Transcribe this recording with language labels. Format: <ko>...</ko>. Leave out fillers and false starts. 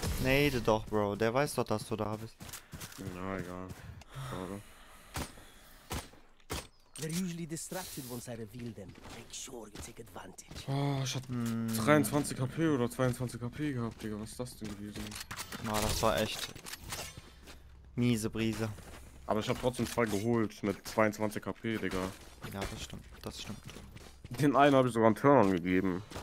<de>Nade doch, Bro. Der weiß doch, dass du da bist. Na, egal. Schade.</de> <en>They're usually distracted once I reveal them. Make sure you take advantage.</en> <de>Oh, ich hab 23 HP oder 22 HP gehabt, Digga. Was ist das denn gewesen? Na, das war echt miese Brise. Aber ich hab trotzdem zwei geholt mit 22 HP, Digga. Ja, das stimmt. Das stimmt. Den einen habe ich sogar einen Turn-on gegeben.</de>